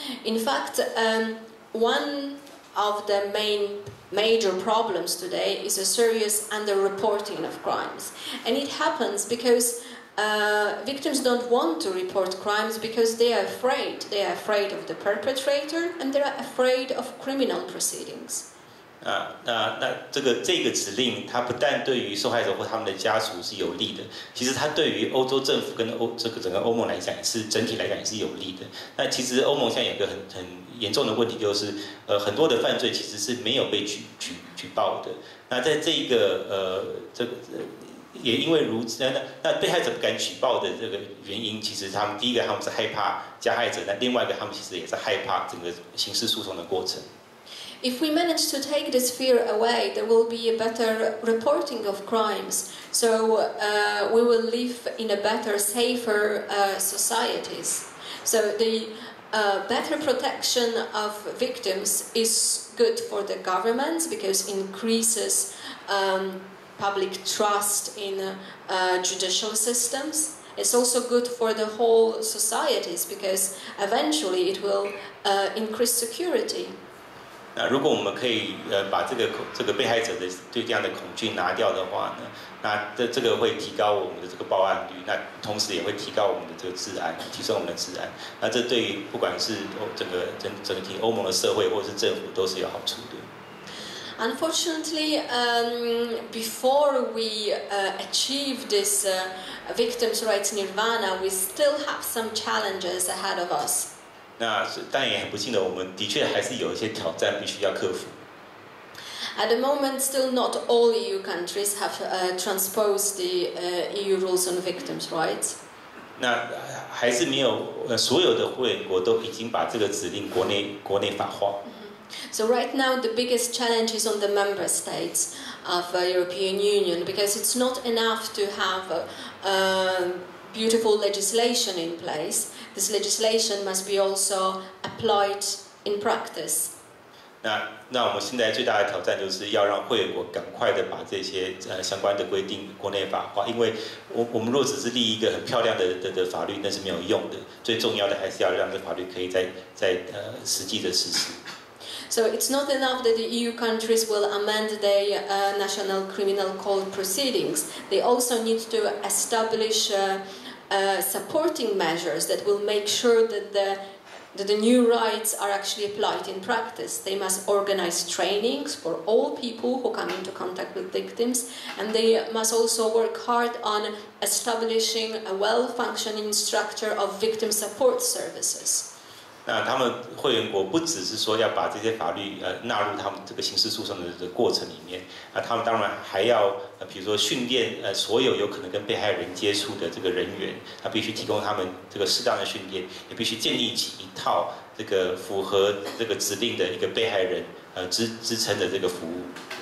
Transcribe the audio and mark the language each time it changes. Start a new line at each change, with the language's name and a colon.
English: In fact, one of the major problems today is a serious underreporting of crimes. And it happens because victims don't want to report crimes because they are afraid. They are afraid of the perpetrator and they are afraid of criminal proceedings.
Chinese: 那这个指令，它不但对于受害者或他们的家属是有利的，其实它对于欧洲政府跟整个欧盟来讲，是整体来讲也是有利的。那其实欧盟现在有一个很严重的问题，就是很多的犯罪其实是没有被举报的。那在这个也因为如此，那被害者不敢举报的这个原因，其实他们第一个他们是害怕加害者，那另外一个他们其实也是害怕整个刑事诉讼的过程。
English: If we manage to take this fear away, there will be a better reporting of crimes. So we will live in a better, safer societies. So the better protection of victims is good for the governments because it increases public trust in judicial systems. It's also good for the whole societies because eventually it will increase security.
Chinese: 那如果我们可以把这个被害者的对这样的恐惧拿掉的话呢，那这个会提高我们的这个报案率，那同时也会提高我们的这个治安，提升我们的治安。那这对于不管是整个整体欧盟的社会或者是政府都是有好处的。
English: Unfortunately, before we achieve this victims' rights nirvana, we still have some challenges ahead of us.
Chinese: 那但也很不幸的，我们的确还是有一些挑战必须要克服。
English: At the moment, still not all EU countries have transposed the EU rules on victims' rights.
Chinese: 那还是没有，所有的会员国都已经把这个指令国内法化。
English: So right now, the biggest challenge is on the member states of the European Union because it's not enough to have a beautiful legislation in place. This legislation must be also applied in practice.
Chinese: 那我们现在最大的挑战就是要让会员国赶快的把这些相关的规定国内法化，因为我们若只是立一个很漂亮的法律，那是没有用的。最重要的还是要让这法律可以在实际的实施。
English: So it's not enough that the EU countries will amend their national criminal code proceedings. They also need to establish supporting measures that will make sure that the new rights are actually applied in practice. They must organize trainings for all people who come into contact with victims, and they must also work hard on establishing a well-functioning structure of victim support services.
Chinese: 那他们会员国不只是说要把这些法律纳入他们这个刑事诉讼的过程里面，那他们当然还要比如说训练所有有可能跟被害人接触的这个人员，他必须提供他们这个适当的训练，也必须建立起一套这个符合这个指令的一个被害人支撑的这个服务。